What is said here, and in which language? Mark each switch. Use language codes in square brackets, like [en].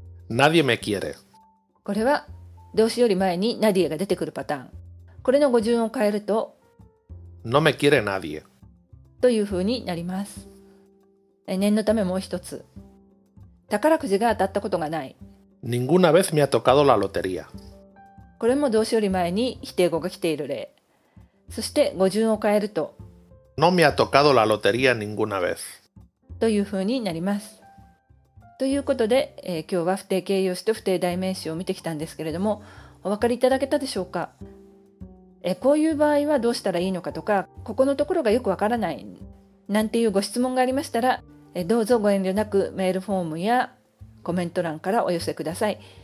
[es] Nadie me quiere。 [ja] これは動詞より前に Nadie が出てくるパターン。これの語順を変えると [es] No me quiere nadie [ja] というふうになります。念のためもう一つ。宝くじが当たったことがない。 [es] Ninguna vez me ha tocado la lotería。 [ja] これも動詞より前に否定語が来ている例。そして語順を変えると。 [es] No me ha tocado la lotería ninguna vez。 [ja] というふうになります。ということで、今日は不定形容詞と不定代名詞を見てきたんですけれども、お分かりいただけたでしょうか。こういう場合はどうしたらいいのかとか、ここのところがよくわからない、なんていうご質問がありましたら、どうぞご遠慮なくメールフォームやコメント欄からお寄せください。